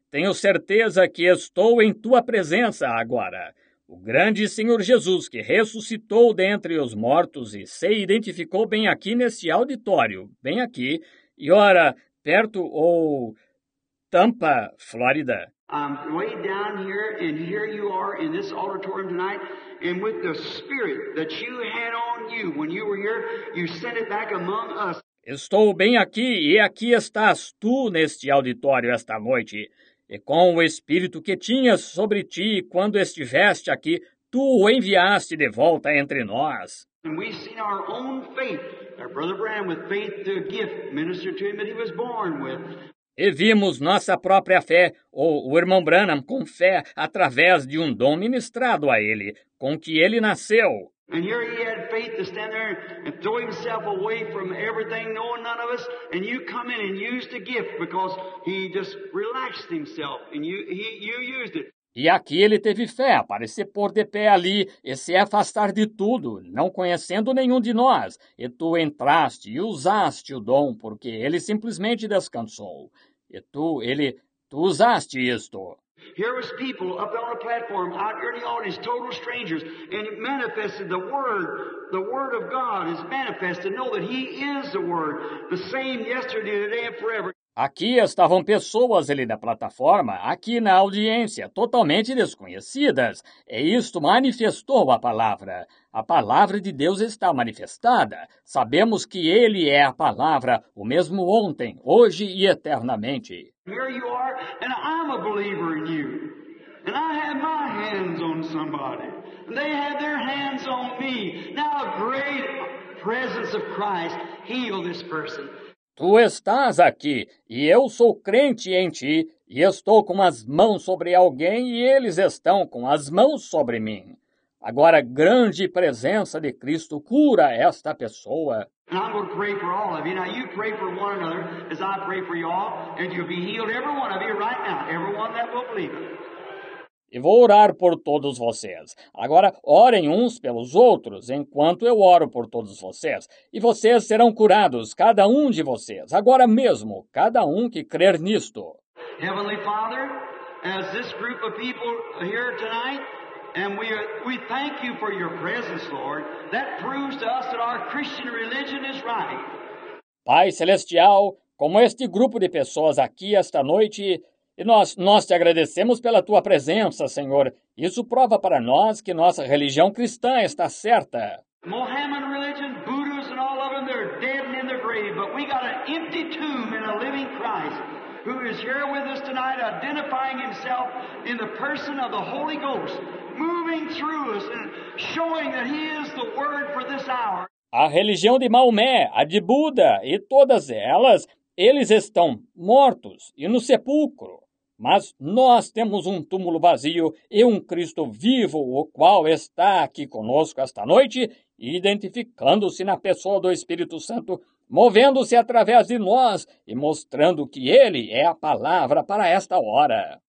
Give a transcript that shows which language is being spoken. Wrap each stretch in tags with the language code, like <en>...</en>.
<pt>Tenho certeza que estou em tua presença agora. O grande Senhor Jesus que ressuscitou dentre os mortos e se identificou bem aqui neste auditório, bem aqui, e ora, perto ou Tampa, Flórida.</pt> <en>I'm way down here, and here you are in this auditorium tonight, and with the spirit that you had on you when you were here, you sent it back among us.</en> <pt>Estou bem aqui, e aqui estás tu neste auditório esta noite. e com o espírito que tinhas sobre ti quando estiveste aqui, tu o enviaste de volta entre nós.</pt> <en>And we've seen our own faith, our brother Branham with faith to a gift ministered to him that he was born with.</en> <pt>E vimos nossa própria fé, ou o irmão Branham com fé, através de um dom ministrado a ele, com que ele nasceu.</pt> <en>And here he had faith to stand there and throw himself away from everything, knowing none of us, and you come in and used the gift because he just relaxed himself and you used it.</en> <pt>E aqui ele teve fé para se pôr de pé ali e se afastar de tudo, não conhecendo nenhum de nós. E tu entraste e usaste o dom, porque ele simplesmente descansou. E tu usaste isto.</pt> <en>Here was people up on a platform, out here in the audience, total strangers, and it manifested the word of God is manifested, know that he is the word, the same yesterday, today and forever.</en> <pt>Aqui estavam pessoas ali na plataforma, aqui na audiência, totalmente desconhecidas. E isto manifestou a palavra. A palavra de Deus está manifestada. Sabemos que Ele é a palavra, o mesmo ontem, hoje e eternamente.</pt> <en>Here you are, and I'm a believer in you. And I have my hands on somebody. And they have their hands on me. Now a great presence of Christ healed this person.</en> <pt>Tu estás aqui, e eu sou crente em ti, e estou com as mãos sobre alguém, e eles estão com as mãos sobre mim. Agora, grande presença de Cristo cura esta pessoa.</pt> <en>And I'm going to pray for all of you. Now, you pray for one another, as I pray for you all, and you'll be healed, every one of you, right now, every one that will believe it.</en> <pt>E vou orar por todos vocês. Agora, orem uns pelos outros, enquanto eu oro por todos vocês. E vocês serão curados, cada um de vocês, agora mesmo, cada um que crer nisto.</pt> <en>Heavenly Father, as this group of people here tonight, and we thank you for your presence, Lord, that proves to us that our Christian religion is right.</en> <pt>Pai Celestial, como este grupo de pessoas aqui esta noite... E nós te agradecemos pela tua presença, Senhor. Isso prova para nós que nossa religião cristã está certa.</pt> <en>Mohammedan religion, Buddhas and all of them, they're dead and in the grave. But we got an empty tomb in a living Christ who is here with us tonight identifying himself in the person of the Holy Ghost, moving through us and showing that he is the word for this hour.</en> <pt>A religião de Maomé, a de Buda e todas elas, eles estão mortos e no sepulcro. Mas nós temos um túmulo vazio e um Cristo vivo, o qual está aqui conosco esta noite, identificando-se na pessoa do Espírito Santo, movendo-se através de nós e mostrando que Ele é a palavra para esta hora.</pt>